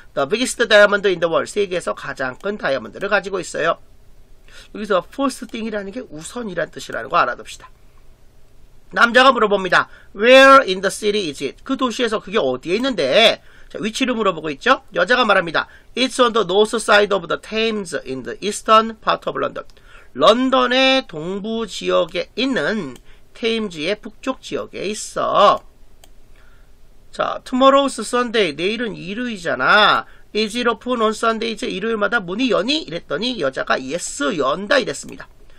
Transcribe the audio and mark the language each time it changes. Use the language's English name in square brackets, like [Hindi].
[English] The biggest diamond in the world. [Korean] 세계에서 가장 큰 다이아몬드를 가지고 있어요. 여기서 first thing이라는 게 우선이라는 뜻이라는 거 알아둡시다. 남자가 물어봅니다. [English] Where in the city is it? [Korean] 그 도시에서 그게 어디에 있는데? 자, 위치를 물어보고 있죠. 여자가 말합니다. [English] It's on the north side of the Thames in the eastern part of London. [Korean] 런던의 동부 지역에 있는 테임즈의 북쪽 지역에 있어. [English] 자, tomorrow's Sunday. [Korean] 내일은 일요일이잖아. [English] Is it open on Sundays? [Korean] 일요일마다 문이 여니? 이랬더니 여자가 yes, 연다 이랬습니다.